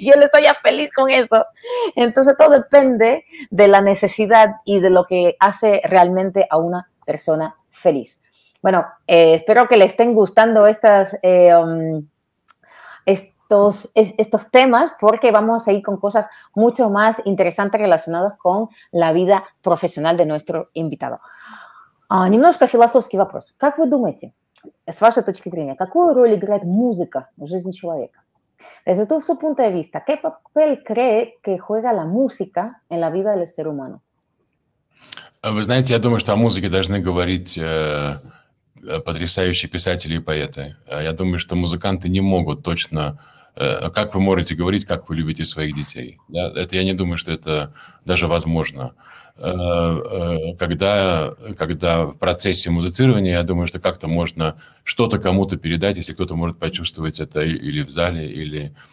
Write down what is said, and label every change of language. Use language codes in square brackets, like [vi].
[es] Y él está ya feliz con eso. Entonces todo depende de la necesidad y de lo que hace realmente a una persona feliz. Bueno, espero que le estén gustando estos temas porque vamos a ir con cosas mucho más interesantes relacionadas con la vida profesional de nuestro invitado. [ru] Немножко философский вопрос. Как вы думаете, с вашей точки зрения, какую роль играет музыка в жизни человека? [es] Desde tu punto de vista, ¿qué papel cree que juega la música en la vida del ser humano? [ru] Вы знаете, я думаю, что о музыке должны говорить потрясающие писатели и поэты. Я думаю, что музыканты не могут точно как вы можете говорить, как вы любите своих детей. Да? Это я не думаю, что это даже возможно. Когда в процессе музицирования, я думаю, что как-то можно что-то кому-то передать, если кто-то может почувствовать это или в зале, или...